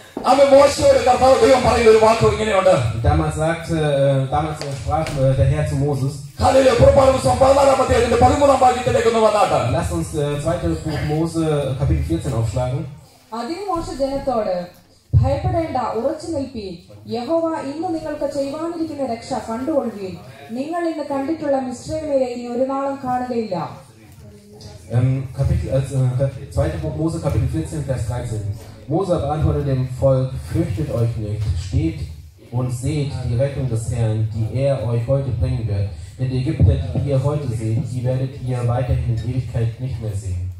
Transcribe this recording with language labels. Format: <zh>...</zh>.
<ml>അവൻ മോശയോട് കർത്താവ് ദൈവം പറയുന്ന ഒരു വാക്ക് ഇങ്ങനെയുണ്ട്</ml> <de>damals sagte damals sprach der Herr zu Moses</de> <ml>hallelujah പ്രോപാലം സംബന്ധമായ അതിന്റെ 13 ഭാഗത്തിലേക്ക് ഒന്ന് വന്നാട്ടെ</ml> <de>lass uns 2. Buch Mose Kapitel 14 aufschlagen</de> <ml>അതിന് മോശ ജനത്തോട് ഭയപ്പെടേണ്ട ഉറച്ചു നിൽപ്പീൻ യഹോവ ഇന്ന് നിങ്ങൾക്ക് ചെയ്യാനിരിക്കുന്ന രക്ഷ കണ്ടുകൊള്ളുവിൻ നിങ്ങൾ ഇന്ന് കണ്ടിട്ടുള്ള മിസ്രയീമരെ ഇനി ഒരു നാളും കാണുകയില്ല</ml> <de>Kapitel 2. Buch Mose Kapitel 14 Vers 13 Mose antwortete dem Volk, fürchtet euch nicht, steht und seht die Rettung des Herrn, die er euch heute bringen wird. Denn die Ägypter, die ihr heute seht, die werdet ihr weiterhin in Ewigkeit nicht mehr sehen.</de>